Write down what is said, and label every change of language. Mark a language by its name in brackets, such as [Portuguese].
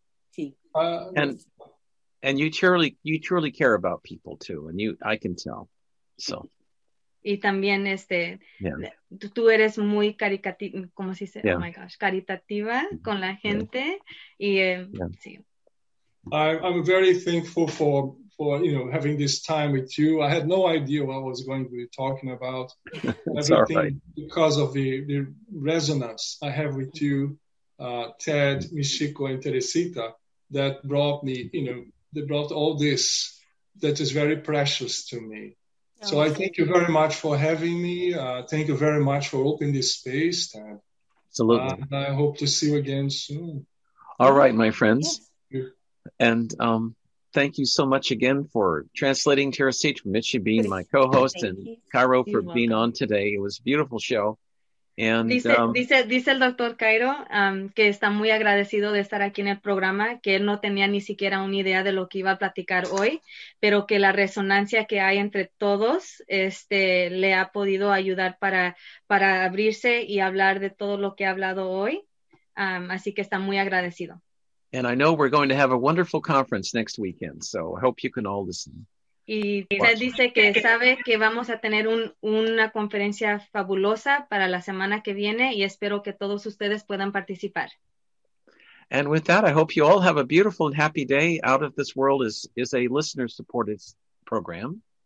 [Spanish] Sí. [English] And you truly care about people too, and you, I can tell. So [Spanish] y también yeah. Tú eres muy como se dice, yeah. [English] Oh my gosh, [Spanish] caritativa con la gente, yeah. Y [English] yeah. [Spanish] Sí. [English] I'm very thankful for you know having this time with you. I had no idea what I was going to be talking about. That's all right. Because of the resonance I have with you, Ted, Michiko, and Teresita, that brought me, you know, they brought all this that is very precious to me. So I thank you very much for having me. Thank you very much for opening this space. Absolutely. And I hope to see you again soon. All right, my friends. Yes. And thank you so much again for translating Teresita, Michi being my co-host, and Cairo for welcome. Being on today. It was a beautiful show. And [Spanish] dice el doctor Cairo que está muy agradecido de estar aquí en el programa, que él no tenía ni siquiera una idea de lo que iba a platicar hoy, pero que la resonancia que hay entre todos le ha podido ayudar para abrirse y hablar de todo lo que ha hablado hoy, así que está muy agradecido. [English] And I know we're going to have a wonderful conference next weekend, so I hope you can all listen. [Spanish] Y él dice que sabe que vamos a tener una conferencia fabulosa para la semana que viene y espero que todos ustedes puedan participar. [English] And with that, I hope you all have a beautiful and happy day. Out of This World is a listener-supported program.